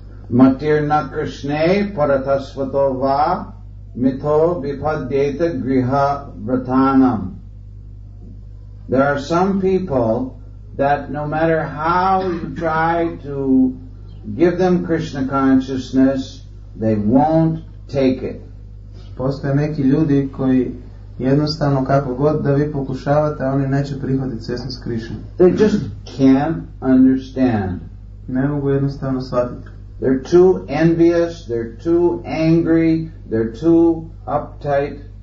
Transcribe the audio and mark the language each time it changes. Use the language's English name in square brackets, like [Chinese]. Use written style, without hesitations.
[Sanskrit] Matir nakrishne paratasvatova mito vipadyeta griha vratanam. [English] There are some people that no matter how you try to give them Krishna consciousness, they won't take it. [Bosnian] Postoje neki ljudi koji jednostavno kako god da vi pokušavate, oni neće prihvatiti svjesnost Krishna. [English] They just can't understand. [Bosnian] Ne mogu jednostavno shvatiti. [English] They're too envious, they're too angry, they're too uptight.